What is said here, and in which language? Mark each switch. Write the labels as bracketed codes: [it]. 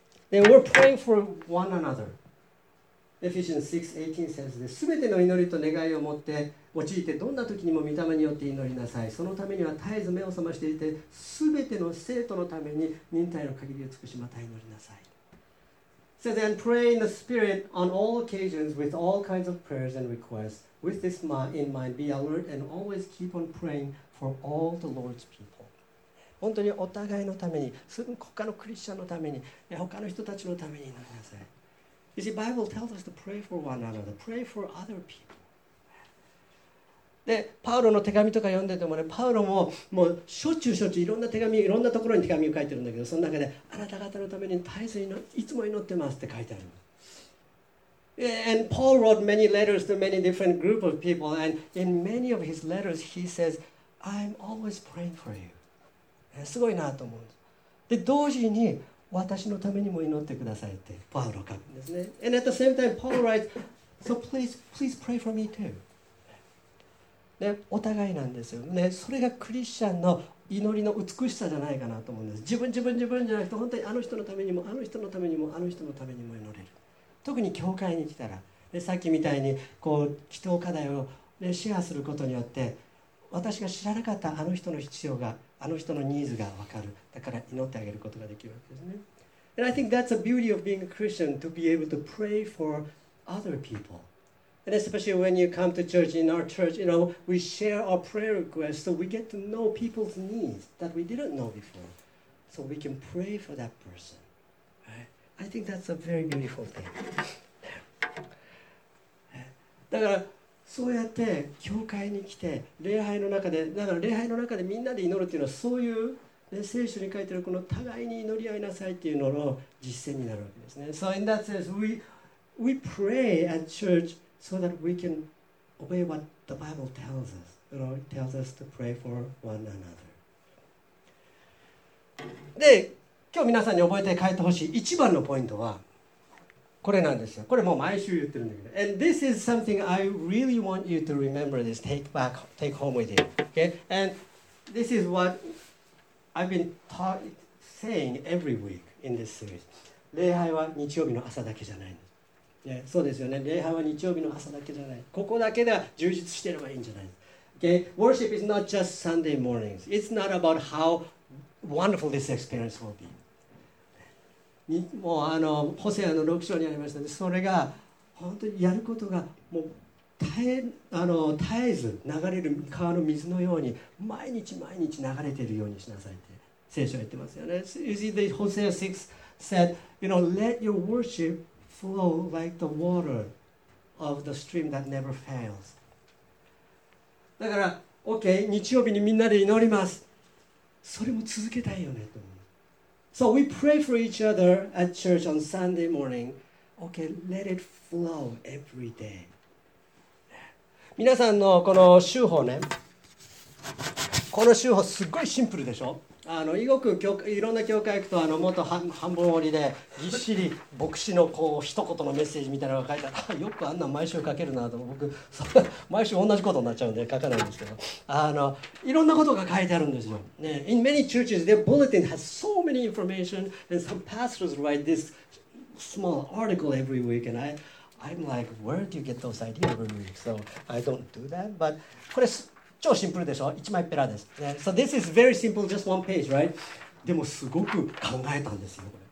[en] で、we're praying for one another. Ephesians 6:18 says this: [ja] 全ての祈りと願いを持って用いて、どんな時にも御霊によって祈りなさい。そのためには絶えず目を覚ましていて、全ての生徒のために忍耐の限りを尽くし、また祈りなさい。 [en] It says, and pray in the Spirit on all occasions with all kinds of prayers and requests. With this in mind, be alert and always keep on praying for all the Lord's people. [ja] 本当にお互いのために、他のクリスチャンのために、他の人たちのために祈りなさい。 [en] You see, Bible tells us to pray for one another, pray for other people. [ja] で、パウロの手紙とか読んでてもね、パウロももうしょっちゅうしょっちゅういろんな手紙、いろんなところに手紙を書いてるんだけど、その中であなた方のために絶えずいつも祈ってますって書いてある。 [en] And Paul wrote many letters to many different group of people, and in many of his letters he says, I'm always praying for you. [ja] すごいなと思うんです。で、同時に私のためにも祈ってくださいってパウロ書くんですね。 [en] And at the same time, Paul writes, so please, please pray for me too. [ja] で、お互いなんですよね。それがクリスチャンの祈りの美しさじゃないかなと思うんです。自分じゃなくて、本当にあの人のためにも、あの人のためにも、あの人のためにも祈れる。特に教会に来たら、でさっきみたいにこう祈祷課題を、ね、シェアすることによって、私が知らなかったあの人の必要が、あの人のニーズが分かる。だから祈ってあげることができるわけですね。 [en] And I think that's the beauty of being a Christian, to be able to pray for other people. And especially when you come to church, in our church, you know, we share our prayer requests, so we get to know people's needs that we didn't know before. So we can pray for that person. Right? I think that's a very beautiful thing. [ja] だから、そうやって教会に来て礼拝の中で、だから礼拝の中でみんなで祈るっていうのは、そういう、ね、聖書に書いてるこの互いに祈り合いなさいっていうのの実践になるわけですね。 [en] So in that sense, we pray at church so that we can obey what the Bible tells us. The Lord tells us to pray for one another. [ja] で、今日皆さんに覚えて帰ってほしい一番のポイントはこれなんですよ。これもう毎週言ってるんだけど。 [en] And this is something I really want you to remember this, take home with you. Okay? And this is what I've been saying every week in this series. [ja] 礼拝は日曜日の朝だけじゃないんです。ね、そうですよね。礼拝は日曜日の朝だけじゃない。ここだけでは充実してればいいんじゃないんです。 [en] Okay? Worship is not just Sunday mornings. It's not about how wonderful this experience will be. [ja] もうホセアの6章にありましたね。それが本当にやることがもう絶えず流れる川の水のように毎日毎日流れているようにしなさいって聖書は言ってますよね。 [en] So, you see, the Hosea 6 said, you know, let your worship flow like the water of the stream that never fails. [ja] だから、OK、日曜日にみんなで祈ります。それも続けたいよねと思う。 [en] So we pray for each other at church on Sunday morning. OK, let it flow every day. [ja] 皆さんのこの週報ね、この週報すっごいシンプルでしょ。あのよく教いろんな教会行くと、あの元半分折りでぎっしり牧師のこう一言のメッセージみたいなのが書いてあるよくあんな毎週書けるなと、僕毎週同じことになっちゃうんで書かないんですけど、あのいろんなことが書いてあるんですよ、ね、 [en] In many churches their bulletin has so many information and some pastors write this small article every week and I'm like where do you get those ideas every week so I don't do that but [ja] これ超シンプルでしょ。一枚ペラです。 [en] Yeah. So this is very simple, just one page, right? [ja] でもすごく考えたんですよ。